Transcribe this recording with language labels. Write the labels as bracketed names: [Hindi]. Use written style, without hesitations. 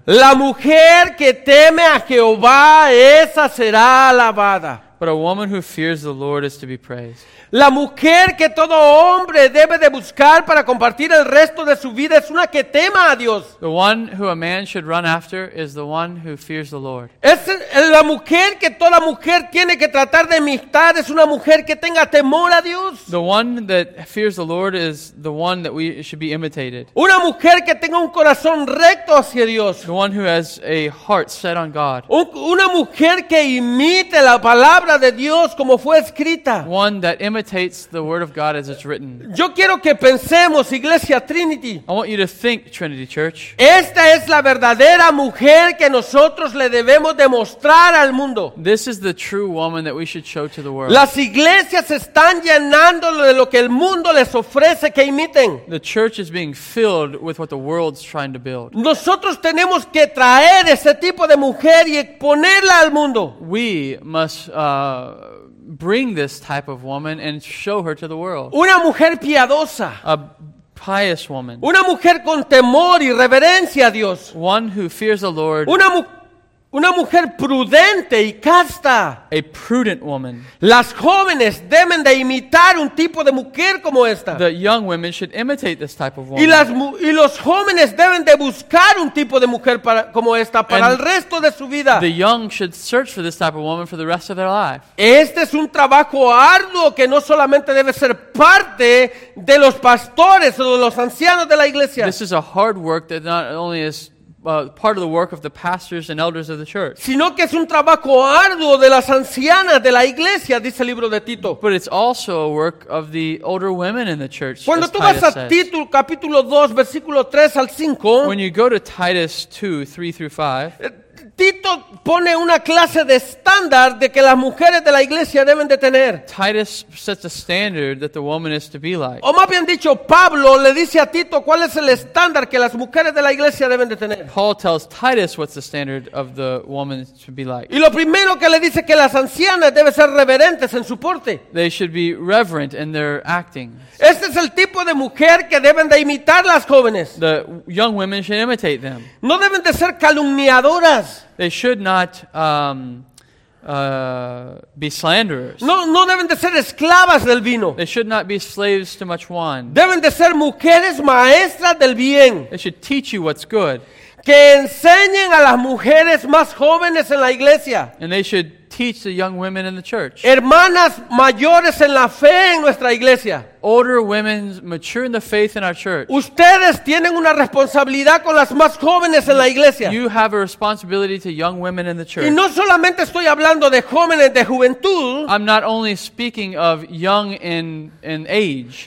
[Spanish] La mujer que teme a Jehová, esa será alabada. [English] But a woman who fears the Lord is to be praised. [Spanish] La mujer que todo hombre debe de buscar para compartir el resto de su vida es una que tema a Dios. [English] The one who a man should run after is the one who fears the Lord. [Spanish] Es la mujer que toda mujer tiene que tratar de imitar es una mujer que tenga temor a Dios. [English] The one that fears the Lord is the one that we should be imitated. [Spanish] Una mujer que tenga un corazón recto hacia Dios. [English] The one who has a heart set on God. [Spanish] Una mujer que imite la palabra de Dios como fue escrita. [English] One that imitates the word of God as it's written. [Spanish] Yo quiero que pensemos, Iglesia Trinity. [English] I want you to think, Trinity Church. [Spanish] Esta es la verdadera mujer que nosotros le debemos demostrar al mundo. [English] This is the true woman that we should show to the world. [Spanish] Las iglesias están llenando de lo que el mundo les ofrece que imiten. [English] The church is being filled with what the world's trying to build. [Spanish] Nosotros tenemos que traer ese tipo de mujer y exponerla al mundo. [English] We must bring this type of woman and show her to the world. [Spanish] Una mujer piadosa. [English] A pious woman. [Spanish] Una mujer con temor y reverencia a Dios. [English] One who fears the Lord. [Spanish] Una mujer prudente y casta. [English] A prudent woman. [Spanish] Las jóvenes deben de imitar un tipo de mujer como esta. [English] The young women should imitate this type of woman. [Spanish] Y los jóvenes deben de buscar un tipo de mujer para, como esta para [English] And [Spanish] el resto de su vida. [English] The young should search for this type of woman for the rest of their life. [Spanish] Este es un trabajo arduo que no solamente debe ser parte de los pastores o de los ancianos de la iglesia. [English] This is a hard work that not only is part of the work of the pastors and elders of the church. [Spanish] Sino que es un trabajo arduo de las ancianas de la iglesia, dice el libro de Tito. [English] But it's also a work of the older women in the church. [Spanish] Cuando tú [English] Titus [Spanish] vas a Tito, capítulo 2, versículo 3 al 5, [English] when you go to Titus 2, 3 through 5, [Spanish] Tito pone una clase de estándar de que las mujeres de la iglesia deben de tener. [English] Titus sets a standard that the woman is to be like. [Spanish] O más bien dicho, Pablo le dice a Tito cuál es el estándar que las mujeres de la iglesia deben de tener. [English] Paul tells Titus what's the standard of the woman to be like. [Spanish] Y lo primero que le dice que las ancianas deben ser reverentes en su porte. [English] They should be reverent in their acting. [Spanish] Este es el tipo de mujer que deben de imitar las jóvenes. [English] The young women should imitate them. [Spanish] No deben de ser calumniadoras. [English] They should not be slanderers. [Spanish] No deben de ser esclavas del vino. [English] They should not be slaves to much wine. [Spanish] Deben de ser mujeres maestras del bien. [English] They should teach you what's good. [Spanish] Que enseñen a las mujeres más jóvenes en la iglesia. [English] And they should teach the young women in the church. [Spanish] Hermanas mayores en la fe en nuestra iglesia. [English] Older women mature in the faith in our church. [Spanish] Ustedes tienen una responsabilidad con las más jóvenes en la iglesia. [English] You have a responsibility to young women in the church. [Spanish] Y no solamente estoy hablando de jóvenes de juventud. [English] I'm not only speaking of young in age.